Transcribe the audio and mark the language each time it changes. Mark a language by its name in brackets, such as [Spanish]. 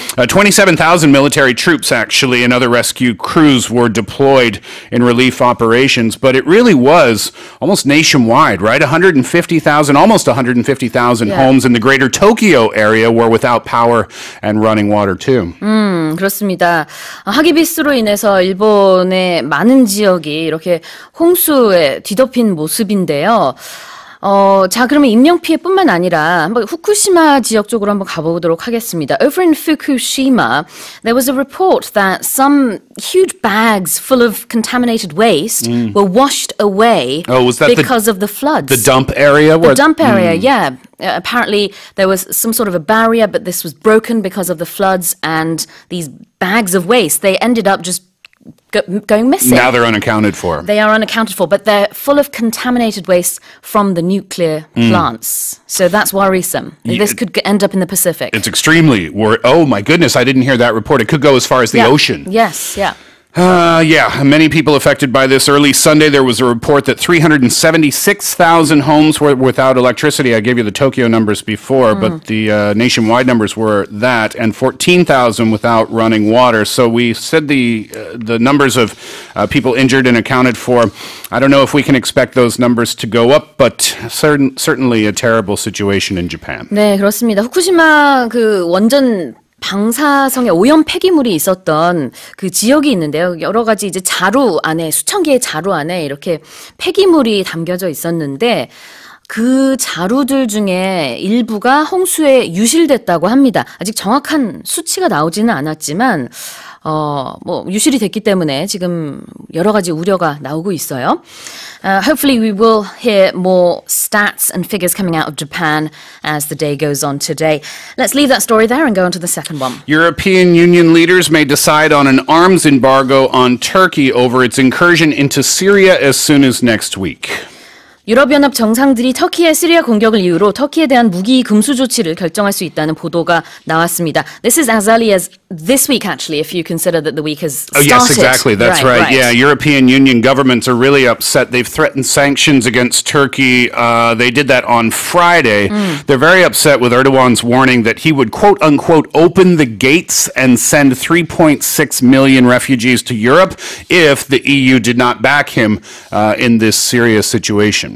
[English] 27,000 military troops, actually, and other rescue crews were deployed in relief operations, but it really was almost nationwide, right? 150,000, almost 150,000 homes in the greater Tokyo area were without power and running water, too. [Korean] 그렇습니다. 하기비스로 인해서 일본의 많은 지역이 이렇게 홍수에 뒤덮인 모습인데요. 자 그러면 인명 피해뿐만 아니라 한번 후쿠시마 지역 쪽으로 한번 가보도록 하겠습니다. [English] Over in Fukushima, there was a report that some huge bags full of contaminated waste were washed away because of the floods. The dump area? The dump area, yeah. Apparently, there was some sort of a barrier, but this was broken because of the floods, and these bags of waste, they ended up just going missing. Now they're unaccounted for. They are unaccounted for, but they're full of contaminated waste from the nuclear plants. So that's worrisome. Yeah, this could end up in the Pacific. It's extremely worrisome. Oh, my goodness, I didn't hear that report. It could go as far as the ocean. Yes, yeah. Yeah, many people affected by this. Early Sunday, there was a report that 376,000 homes were without electricity. I gave you the Tokyo numbers before, but the nationwide numbers were that, and 14,000 without running water. So we said the numbers of people injured and accounted for. I don't know if we can expect those numbers to go up, but certainly a terrible situation in Japan. [Korean] 네, 그렇습니다. 후쿠시마 그 원전 방사성의 오염 폐기물이 있었던 그 지역이 있는데요. 여러 가지 이제 자루 안에 수천 개의 자루 안에 이렇게 폐기물이 담겨져 있었는데 그 자루들 중에 일부가 홍수에 유실됐다고 합니다. 아직 정확한 수치가 나오지는 않았지만 뭐 유실이 됐기 때문에 지금 여러 가지 우려가 나오고 있어요. [English] Hopefully we will hear more stats and figures coming out of Japan as the day goes on today. Let's leave that story there and go on to the second one. European Union leaders may decide on an arms embargo on Turkey over its incursion into Syria as soon as next week. [Korean] 유럽연합 정상들이 터키의 시리아 공격을 이유로 터키에 대한 무기 금수 조치를 결정할 수 있다는 보도가 나왔습니다. [English] This is as early as this week, actually, if you consider that the week has started. Oh, yes, exactly. That's right. Right. Yeah, European Union governments are really upset. They've threatened sanctions against Turkey. They did that on Friday. They're very upset with Erdogan's warning that he would, quote, unquote, open the gates and send 3.6 million refugees to Europe if the EU did not back him in this Syria situation.